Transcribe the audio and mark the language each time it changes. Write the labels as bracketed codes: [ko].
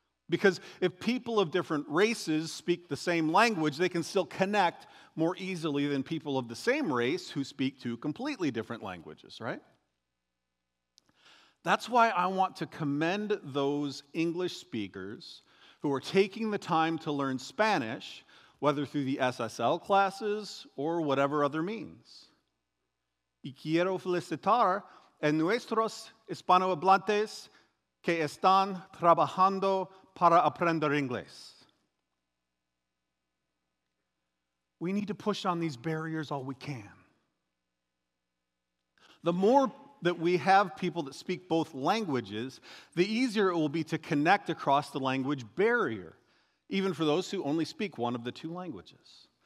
[en] Because if people of different races speak the same language, they can still connect more easily than people of the same race who speak two completely different languages, right? That's why I want to commend those English speakers who are taking the time to learn Spanish, whether through the SSL classes or whatever other means. [es] Y quiero felicitar a nuestros hispanohablantes que están trabajando para aprender inglés. [en] We need to push on these barriers all we can. The more that we have people that speak both languages, the easier it will be to connect across the language barrier, even for those who only speak one of the two languages.